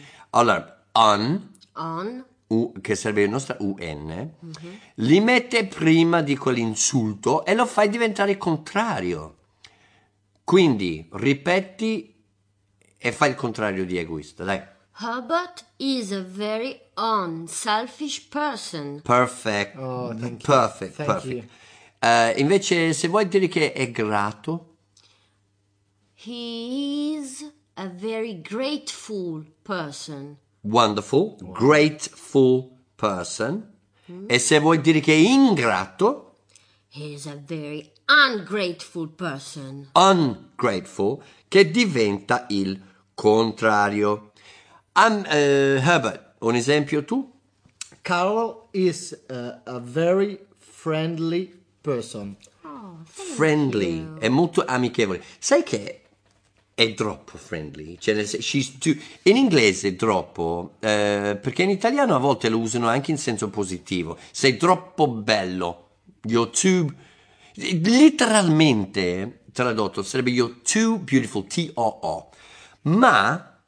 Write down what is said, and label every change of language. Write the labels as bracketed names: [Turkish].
[Italian] Allora, on. U, che serve la nostra UN, li mette prima di quell'insulto e lo fai diventare contrario. Quindi, ripeti e fai il contrario di egoista, dai. [English] Herbert is a very unselfish person. Perfect. Oh, thank you. Perfect. Thank perfect. You. [Italian] Invece, se vuoi dire che è grato. [English] He is a very grateful person. Wonderful. Wow. Grateful person. [Italian] Mm-hmm. E se vuoi dire che è ingrato. [English] He is a very ungrateful person. [Italian] Ungrateful, che diventa il contrario. Herbert, un esempio tu? [English] Carol is a very friendly person. Oh, friendly, you. [Italian] È molto amichevole. Sai che è troppo friendly? Cioè, [English] she's too, [Italian] in inglese troppo, perché in italiano a volte lo usano anche in senso positivo. Sei troppo bello, [English] you're too, [Italian] letteralmente tradotto sarebbe [English] you're too beautiful, [Italian] T-O-O. Ma...